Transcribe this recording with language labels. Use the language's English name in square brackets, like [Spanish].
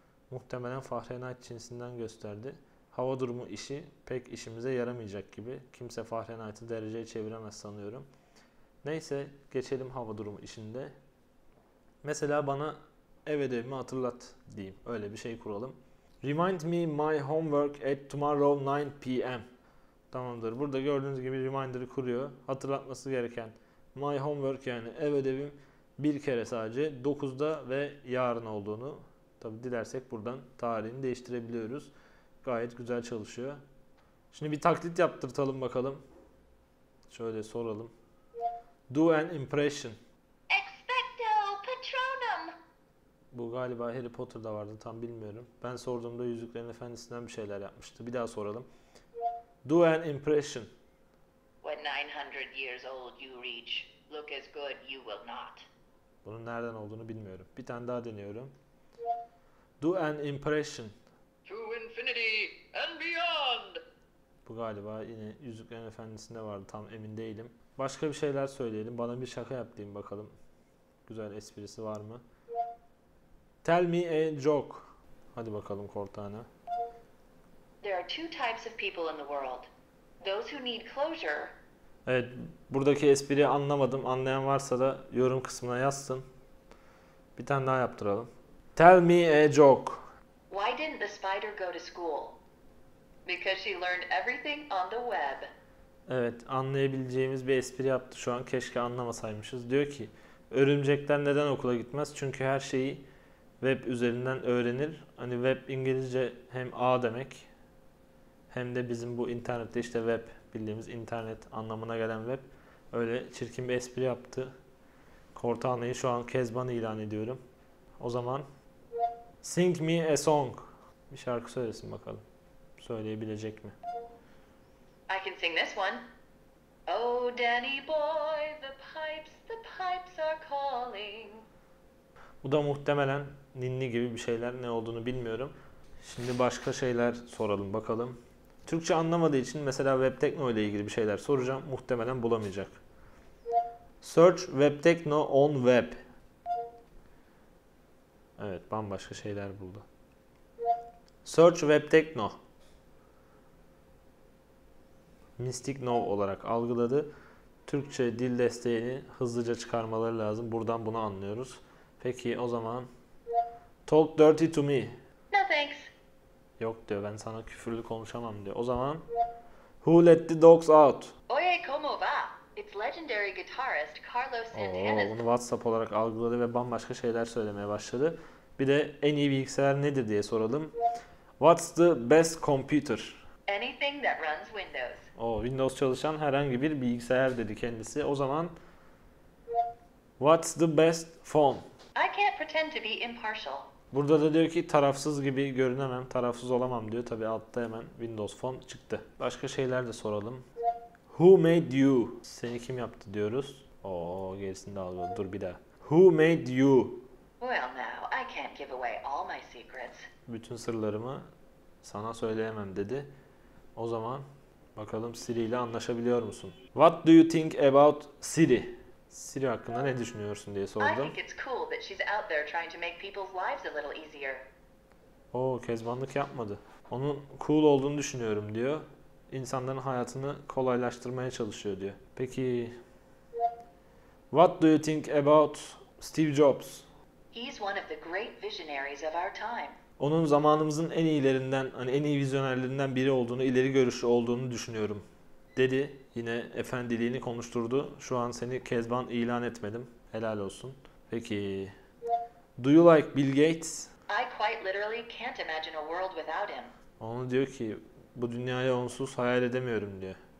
[Turkish] Muhtemelen Fahrenheit cinsinden gösterdi. Hava durumu işi pek işimize yaramayacak gibi. Kimse Fahrenheit'i dereceye çeviremez sanıyorum. Neyse, geçelim hava durumu işinde. Mesela bana ev ödevimi hatırlat diyeyim. Öyle bir şey kuralım. [English] Remind me my homework at tomorrow 9 PM. [Turkish] Tamamdır. Burada gördüğünüz gibi reminder'ı kuruyor. Hatırlatması gereken [English] my homework, [Turkish] yani ev ödevim bir kere sadece 9'da ve yarın olduğunu, tabi dilersek buradan tarihini değiştirebiliyoruz. Gayet güzel çalışıyor. Şimdi bir taklit yaptırtalım bakalım. Şöyle soralım. [English] Do an impression. Expecto Patronum. [Turkish] Bu galiba Harry Potter'da vardı, tam bilmiyorum. Ben sorduğumda Yüzüklerin Efendisi'nden bir şeyler yapmıştı. Bir daha soralım. [English] Do an impression. When 900 years old you reach, look as good you will not. [Turkish] Bunun nereden olduğunu bilmiyorum. Bir tane daha deniyorum. [English] Do an impression. To infinity and beyond. [Turkish] Bu galiba yine Yüzüklerin Efendisi'nde vardı, tam emin değilim. Başka bir şeyler söyleyelim. Bana bir şaka yap diyeyim bakalım. Güzel esprisi var mı? [English] Tell me a joke. [Turkish] Hadi bakalım Cortana. [English] There are two types of people in the world. Those who need closure. [Turkish] Evet, buradaki espriyi anlamadım. Anlayan varsa da yorum kısmına yazsın. Bir tane daha yaptıralım. [English] Tell me a joke. Why didn't the spider go to school? Because she learned everything on the web. [Turkish] Evet, anlayabileceğimiz bir espri yaptı şu an. Keşke anlamasaymışız. Diyor ki, örümcekler neden okula gitmez? Çünkü her şeyi web üzerinden öğrenir. Hani web İngilizce hem ağ demek, hem de bizim bu internette işte web, bildiğimiz internet anlamına gelen web. Öyle çirkin bir espri yaptı. Cortana'yı şu an kezban ilan ediyorum. O zaman [English] sing me a song. [Turkish] Bir şarkı söylesin bakalım. Söyleyebilecek mi? [English] I can sing this one. Oh Danny boy, the pipes are calling. [Turkish] Bu da muhtemelen ninni gibi bir şeyler, ne olduğunu bilmiyorum. Şimdi başka şeyler soralım bakalım. Türkçe anlamadığı için mesela Webtekno ile ilgili bir şeyler soracağım. Muhtemelen bulamayacak. [English] Search Webtekno on web. [Turkish] Evet, bambaşka şeyler buldu. [English] Search Webtekno. [Turkish] Mystic No olarak algıladı. Türkçe dil desteğini hızlıca çıkarmaları lazım. Buradan bunu anlıyoruz. Peki o zaman. [English] Talk dirty to me. No thanks. [Turkish] Yok diyor, ben sana küfürlü konuşamam diyor. O zaman. [English] Who let the dogs out? [Spanish] Oye, como va? [English] It's legendary guitarist Carlos Santana. [Turkish] Oo, bunu WhatsApp olarak algıladı ve bambaşka şeyler söylemeye başladı. Bir de en iyi bilgisayar nedir diye soralım. [English] What's the best computer? Anything that runs Windows. [Turkish] Oo, Windows çalışan herhangi bir bilgisayar dedi kendisi. O zaman. [English] What's the best phone? I can't pretend to be impartial. [Turkish] Burada da diyor ki tarafsız gibi görünemem, tarafsız olamam diyor. Tabii altta hemen Windows Phone çıktı. Başka şeyler de soralım. [English] Who made you? [Turkish] Seni kim yaptı diyoruz. Ooo, gerisini de alalım. Dur bir daha. [English] Who made you? Well now, I can't give away all my secrets. [Turkish] Bütün sırlarımı sana söyleyemem dedi. O zaman bakalım Siri ile anlaşabiliyor musun? [English] What do you think about Siri? [Turkish] Siri hakkında ne düşünüyorsun diye sordum. [English] I think it's cool that she's out there trying to make people's lives a little easier. [Turkish] Oo, kezbanlık yapmadı. Onun cool olduğunu düşünüyorum diyor. İnsanların hayatını kolaylaştırmaya çalışıyor diyor. Peki [English] what do you think about Steve Jobs? He's one of the great visionaries of our time. [Turkish] Onun zamanımızın en iyilerinden, hani en iyi vizyonerlerinden biri olduğunu, ileri görüşlü olduğunu düşünüyorum dedi. Yine efendiliğini konuşturdu. Şu an seni kezban ilan etmedim. Helal olsun. Peki. [English] Do you like Bill Gates? I quite literally can't imagine a world without him. [Turkish] Onu diyor ki, bu dünyayı onsuz hayal edemiyorum diyor.